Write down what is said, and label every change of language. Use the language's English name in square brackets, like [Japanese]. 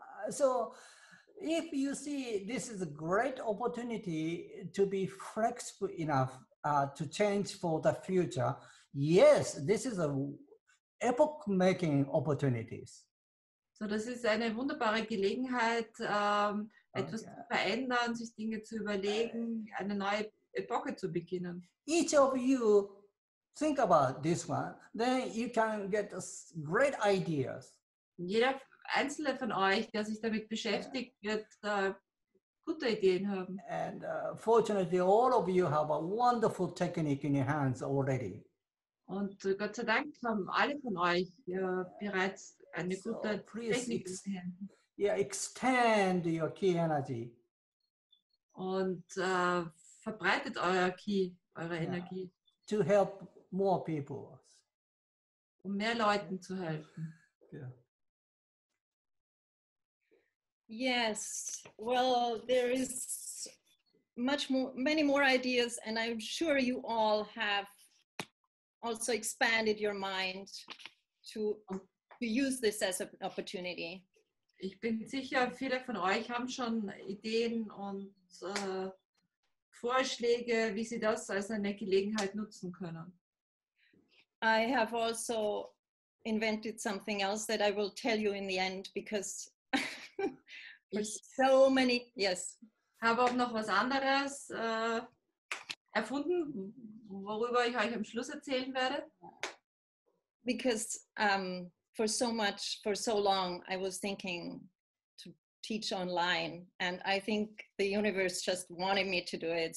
[English] So if you see, this is a great opportunity to be flexible enough to change for the future. Yes, this is a epoch-making opportunities. [German] So, das ist eine wunderbare Gelegenheit, etwas zu verändern, sich Dinge zu überlegen, eine neue Epoche zu beginnen. [English] Each of you think about this one, then you can get great ideas. [German] Jeder einzelne von euch, der sich damit beschäftigt, wird gute Ideen haben. [English] And fortunately, all of you have a wonderful technique in your hands already. [German] Und Gott sei Dank haben alle von euch bereits eine gute Technik. [English] Extend your key energy. [German] und verbreitet euer Qi, eure Energie. [English] To help more people. [German] Um mehr Leuten zu helfen. [English] Yeah. Yes, well, there is much more, many more ideas, and I'm sure you all have also expanded your mind to use this as an opportunity. [German] Ich bin sicher, viele von euch haben schon Ideen und Vorschläge, wie sie das als eine Gelegenheit nutzen können. [English] I have also invented something else that I will tell you in the end, because there's so many, yes. [German] Habe auch noch was anderes erfunden, worüber ich euch am Schluss erzählen werde. [English] Because for so long, I was thinking to teach online, and I think the universe just wanted me to do it.